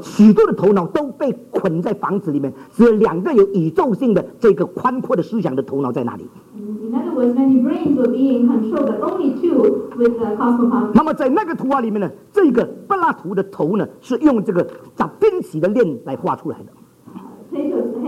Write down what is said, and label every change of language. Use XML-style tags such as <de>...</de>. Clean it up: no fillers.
<zh>许多的头脑都被捆在房子里面，只有两个有宇宙性的这个宽阔的思想的头脑在哪里？</zh> <en>In other words, many brains were being controlled, but only two with the cosmopolitan.</en> <zh>那么在那个图画里面呢，这个柏拉图的头呢，是用这个扎宾奇的链来画出来的。</zh>